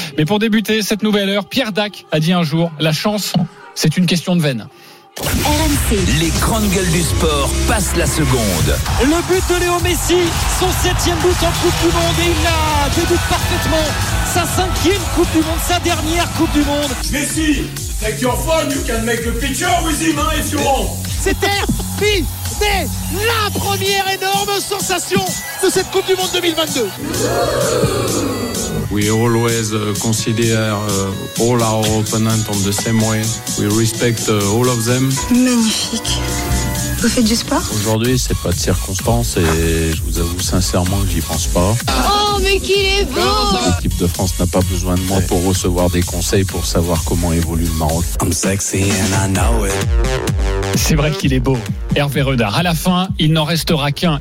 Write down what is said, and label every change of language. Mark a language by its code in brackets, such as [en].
[fr] Mais pour débuter cette nouvelle heure, Pierre Dac a dit un jour, la chance, c'est une question de veine. RMC. Les grandes gueules du sport passent la seconde. Le but de Léo Messi, son 7e but en Coupe du Monde, et il la débute parfaitement. Sa 5e Coupe du Monde, sa dernière Coupe du Monde. [en] Messi, take your phone, you can make a picture with him, hein, if you want. [fr] C'était la première énorme sensation de cette Coupe du Monde 2022. [en] We always consider all our opponents on the same way. We respect all of them. [fr] Magnifique. Vous faites du sport? Aujourd'hui, c'est pas de circonstance et je vous avoue sincèrement que j'y pense pas. Oh, mais qu'il est beau! L'équipe de France n'a pas besoin de moi pour recevoir des conseils pour savoir comment évolue le Maroc. [en] I'm sexy and I know it. [fr] C'est vrai qu'il est beau, Hervé Renard. À la fin, il n'en restera qu'un.